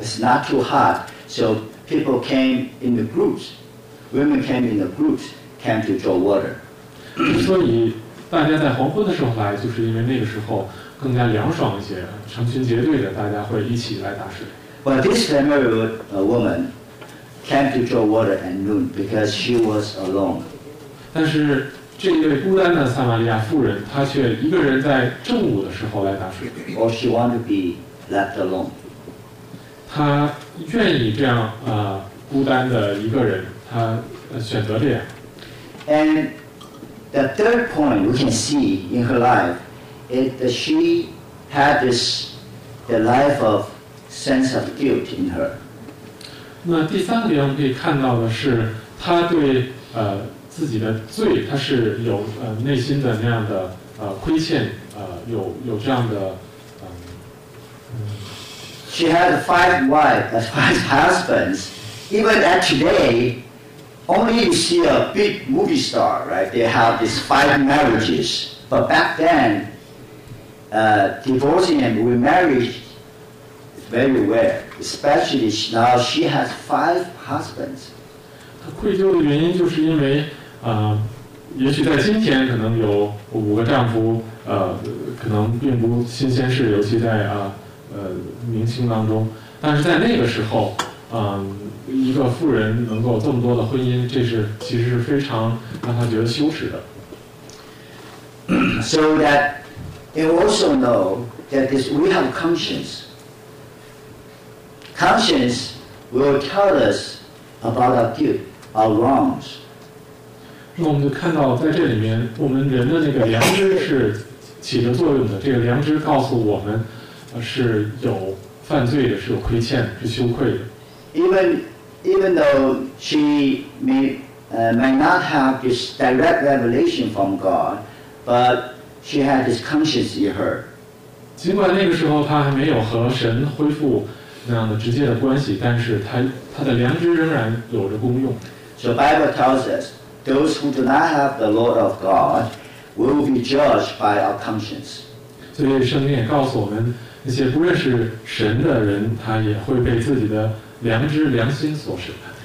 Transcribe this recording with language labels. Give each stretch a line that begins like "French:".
English: It's not too hot, so people came in the groups. Women came in the groups, came to draw water.
Chinese: 所以大家在黄昏的时候来，就是因为那个时候更加凉爽一些，成群结队的大家会一起来打水。
English: But this Samaritan woman came to draw water at noon because she was alone.
Chinese: 但是这一位孤单的撒玛利亚妇人，她却一个人在正午的时候来打水。
English: Or she wanted to be left alone.
Chinese: 她愿意这样孤单的一个人，她选择这样。
English: And the third point we can see in her life is that she had this the life of sense of guilt in her.
Chinese: 那第三个点我们可以看到的是，她对自己的罪，她是有内心的那样的亏欠，有这样的。
English: She had five wives, five husbands. Even at today, only you see a big movie star, right? They have these five marriages. But back then, divorcing and remarriage is very rare. Especially now, she has five husbands.
Chinese: 她愧疚的原因就是因为也许在今天可能有五个丈夫，可能并不新鲜事，尤其在明清当中。但是在那个时候，一个妇人能够这么多的婚姻，这是其实是非常让她觉得羞耻的。
English: So that you also know that this we have conscience. Conscience will tell us about our guilt, our wrongs.
Chinese: 那我们就看到在这里面我们人的那个良知是起着作用的，这个良知告诉我们是有犯罪的，是有亏欠，是羞愧的。
English: even though she may not have this direct revelation from God, but she had this conscience in her.
Chinese: 尽管那个时候她还没有和神恢复那样的直接的关系，但是 她的良知仍然有着功用。
English: So Bible tells usThose who do not have the law of God will be judged by our conscience.
Chinese: 所以圣经也告诉我们，那些不认识神的人，他也会被自己的良知、良心所审判。